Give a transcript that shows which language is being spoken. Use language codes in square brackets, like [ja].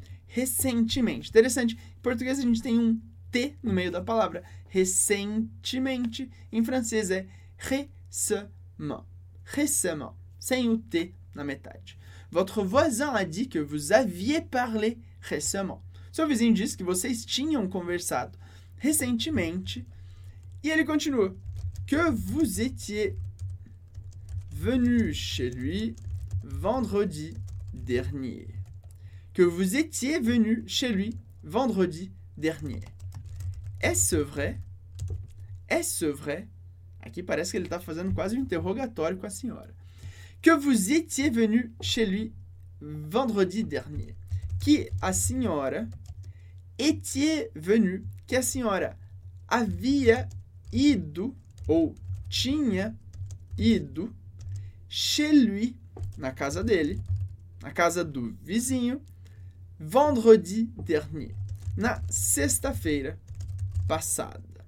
[pt] Recentemente. Interessante, em português a gente tem um T no meio da palavra. Recentemente. Em francês é récemment. Récemment. Sem o T na metade. [fr] Votre voisin a dit que vous aviez parlé récemment. [pt] Seu vizinho disse que vocês tinham conversado recentemente. E ele continua. [fr] Que vous étiez venu chez lui vendredi dernier. Que vous étiez venu chez lui vendredi dernier. Est-ce vrai? Est-ce vrai? [pt] Aqui parece que ele está fazendo quase um interrogatório com a senhora. [fr] Que vous étiez venu chez lui vendredi dernier. [pt] Que a senhora [fr] étiez venu, [pt] que a senhora havia ido ou tinha ido [fr] chez lui, [pt] na casa dele, na casa do vizinho, [fr] vendredi dernier, [pt] na sexta-feira passada.